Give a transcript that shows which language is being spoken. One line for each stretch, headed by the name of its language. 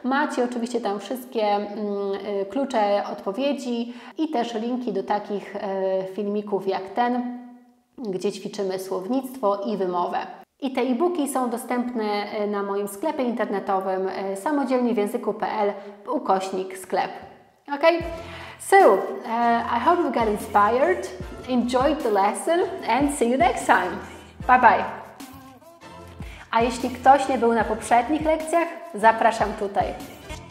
Polish: Macie oczywiście tam wszystkie klucze odpowiedzi i też linki do takich filmików jak ten, gdzie ćwiczymy słownictwo i wymowę. I te e-booki są dostępne na moim sklepie internetowym samodzielniewjęzyku.pl/sklep. Ok?
English: So, I hope you got inspired, enjoyed the lesson and see you next time. Bye bye.
Polish: A jeśli ktoś nie był na poprzednich lekcjach, zapraszam tutaj.